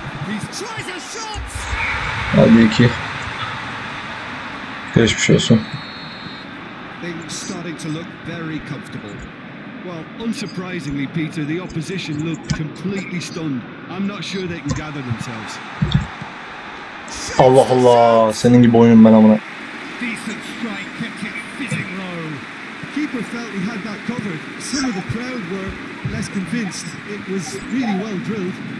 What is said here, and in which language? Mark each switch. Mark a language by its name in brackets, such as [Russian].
[English] He tries a shot. [Turkish] Hadi iki. Geçmiş olsun. [English] Things starting to look very comfortable. Well, unsurprisingly, Peter, the opposition looked completely stunned. I'm not sure they can gather themselves. [Turkish] Allah Allah, senin gibi oyunum ben amına. [English] Decent strike, kept it fitting low. Keeper felt he had that covered. Some of the crowd were less convinced. It was really well drilled.